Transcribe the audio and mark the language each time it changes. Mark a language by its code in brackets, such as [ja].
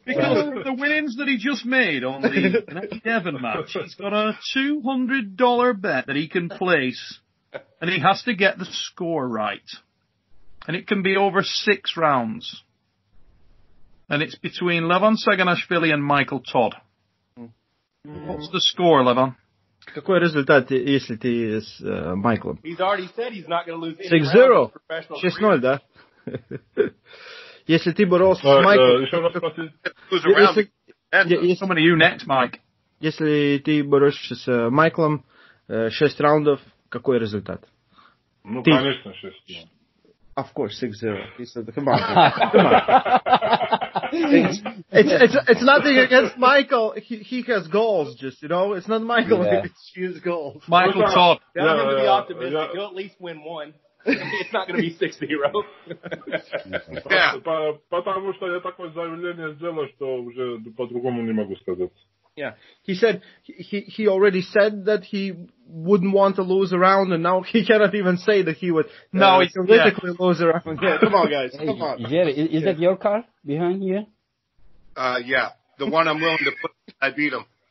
[en] Because the winnings that he just made on the next Devon match, he's got a $200 bet that he can place, and he has to get the score right. And it can be over 6 rounds. And it's between Levan Saginashvili and Michael Todd. What's the score, Levan? [ru] Какой результат, если ты с Майклом? [en] He's already said he's not going to lose [ru] 6-0. 6-0, да? Если ты боролся с Майклом... [en] How many you next, Mike? [ru] Если ты боролся с Майклом 6 раундов, какой результат? Ну, конечно, 6-0. [en] Of course, 6-0. He said, come on. Come on. It's nothing against Michael. He has goals, just, you know. It's not Michael. Yeah. It's goals. Michael Todd. Yeah, I'm going to be optimistic. Yeah. He'll at least win one. It's not going to be 6-0. Yeah. [ru] Потому что я такое заявление сделал, что уже по-другому не могу сказать. [en] Yeah. He said he already said that he wouldn't want to lose a round, and now he cannot even say that he would politically lose a round. Yeah, come on, guys. Hey, come on. Jerry, is that your car behind here? Yeah. The one I'm willing to put, I beat him.